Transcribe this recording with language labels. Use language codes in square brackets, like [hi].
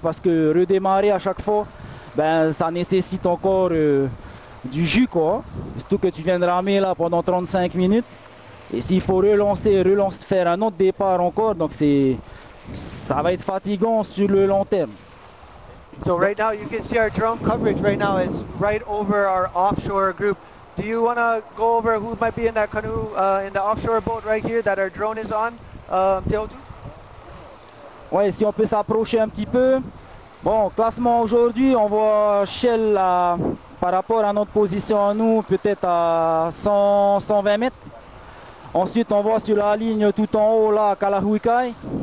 [fr] Parce que redémarrer à chaque fois, ben, ça nécessite encore du jus. Quoi. Surtout que tu viens de ramer là pendant 35 minutes. Et s'il faut relancer, faire un autre départ encore, donc c'est... ça va être fatigant sur le long terme. [en] So right now you can see our drone coverage right now is right over our offshore group. Do you want to go over who might be in that canoe in the offshore boat right here that our drone is on? Théodou? [fr] Ouais, si on peut s'approcher un petit peu. Bon, classement aujourd'hui, on voit Shell par rapport à notre position à nous, peut-être à 120 mètres. Ensuite, on voit sur la ligne tout en haut là, Kalahuikai.